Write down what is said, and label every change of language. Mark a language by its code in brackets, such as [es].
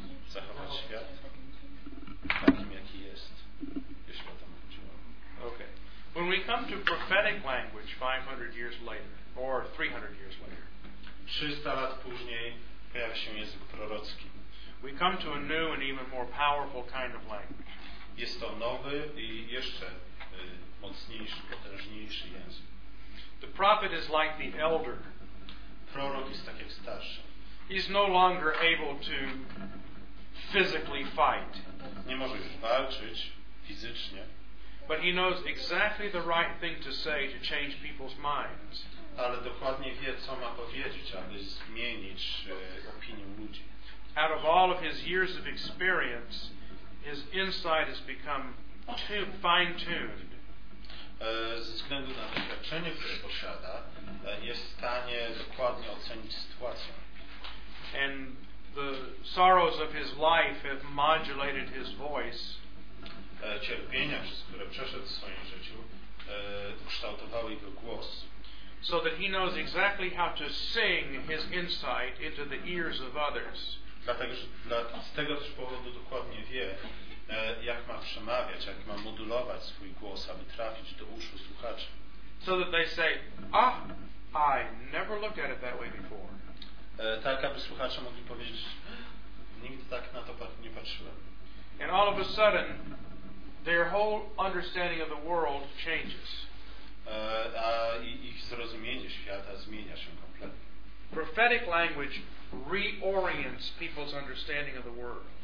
[pl] Zachować świat takim, jaki jest, jeśli o to chodzi. [en] Okay. When we come to prophetic language 500 years later, or 300 years later, [pl] 300 lat później pojawia się język prorocki. [en] We come to a new and even more powerful kind of language. [pl] Jest to nowy i jeszcze mocniejszy, potężniejszy język. [en] The prophet is like the elder. [pl] Prorok jest tak jak starszy. [en] He's no longer able to physically fight. [pl] Nie może już walczyć fizycznie. [en] But he knows exactly the right thing to say to change people's minds. [pl] Ale dokładnie wie, co ma powiedzieć, aby zmienić opinię ludzi. [en] Out of all of his years of experience, his insight has become too fine-tuned. [pl] Ze względu na doświadczenie, które posiada, jest w stanie dokładnie ocenić sytuację. [en] And the sorrows of his life have modulated his voice. [pl] Cierpienia, przez które przeszedł w swoim życiu, ukształtowały jego głos. [en] So that he knows exactly how to sing his insight into the ears of others. [pl] Dlatego, z tego też powodu dokładnie wie, jak ma przemawiać, jak ma modulować swój głos, aby trafić do uszu słuchaczy. [en] So that they say, I never looked at it that way before. [pl] Tak, aby słuchacze mogli powiedzieć, nigdy tak na to nie patrzyłem. [en] And all of a sudden, their whole understanding of the world changes. [pl] A ich zrozumienie świata zmienia się kompletnie. [en] Prophetic language reorients people's understanding of the world.